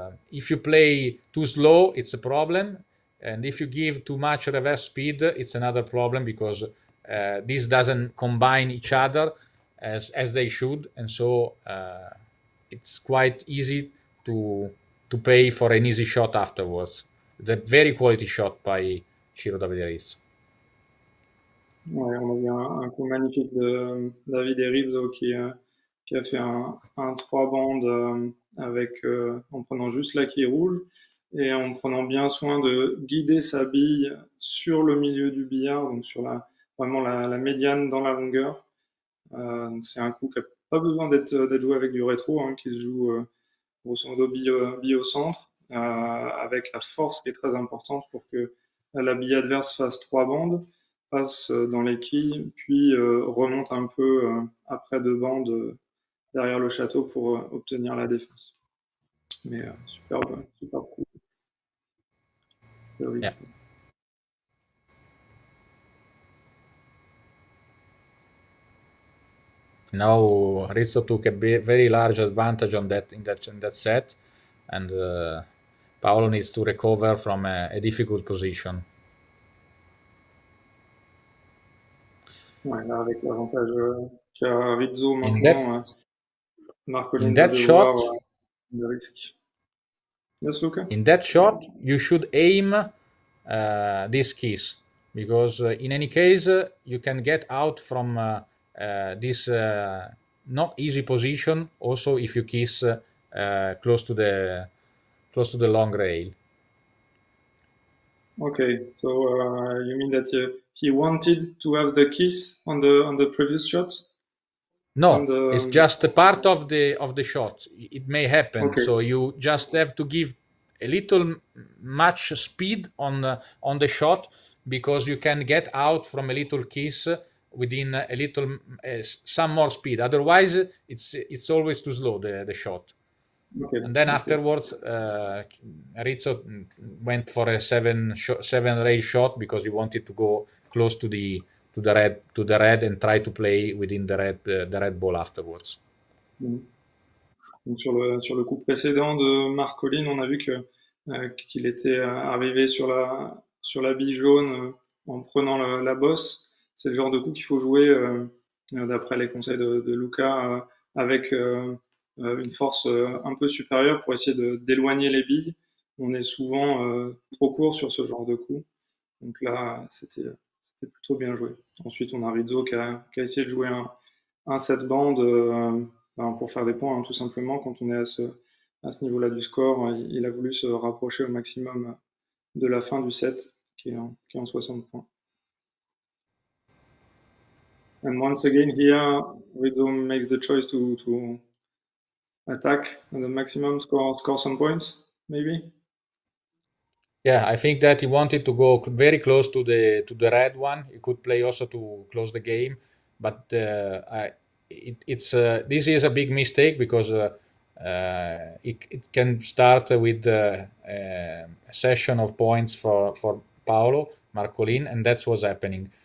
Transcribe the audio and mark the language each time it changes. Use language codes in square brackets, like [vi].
[en] If you play too slow, it's a problem, and if you give too much reverse speed, it's another problem, because this doesn't combine each other as they should, and so it's quite easy to pay for an easy shot afterwards. The very quality shot by Ciro Davide Rizzo. [fr] Ouais, on a vu un coup magnifique de David Rizzo qui a fait un 3 bandes avec en prenant juste la quille rouge et en prenant bien soin de guider sa bille sur le milieu du billard, donc sur la médiane dans la longueur. Donc c'est un coup qui n'a pas besoin d'être joué avec du rétro, hein, qui se joue grosso modo bille au centre, avec la force qui est très importante pour que la bille adverse fasse trois bandes, passe dans les quilles, puis remonte un peu après deux bandes derrière le château pour obtenir la défense. Mais superbe, super coup. [en] Yeah. Now Rizzo took a very large advantage on that in that set, and Paolo needs to recover from a difficult position. [fr] Ouais, là, avec l'avantage qu'a Rizzo maintenant, Marcolin [en] in that shot, [fr] le risque. [en] Yes, Luca. In that shot, you should aim this kiss, because in any case you can get out from this not easy position also if you kiss close to the long rail. Okay, so you mean that he wanted to have the kiss on the previous shot? No, it's just a part of the shot. It may happen. Okay. So you just have to give a little much speed on the shot, because you can get out from a little kiss within a little some more speed. Otherwise, it's always too slow, the shot. Okay. And then okay. Afterwards, Rizzo went for a seven rail shot, because he wanted to go close to the red and try to play within the red ball afterwards. Mm-hmm. [fr] Donc sur le coup précédent de Marcolin, on a vu qu'il était arrivé sur la bille jaune en prenant la bosse. C'est le genre de coup qu'il faut jouer, d'après les conseils de Luca, avec une force un peu supérieure pour essayer d'éloigner les billes. On est souvent trop court sur ce genre de coup. Donc là, c'était plutôt bien joué. Ensuite, on a Rizzo qui a essayé de jouer un 7 band pour faire des points, hein, tout simplement. Quand on est à ce niveau-là du score, il a voulu se rapprocher au maximum de la fin du set, qui est en 60 points. [en] And once again here, Rizzo makes the choice to attack at the maximum, score some points, maybe. Yeah, I think that he wanted to go very close to the red one. He could play also to close the game, but this is a big mistake, because it can start with a session of points for Paolo Marcolin, and that's what's happening.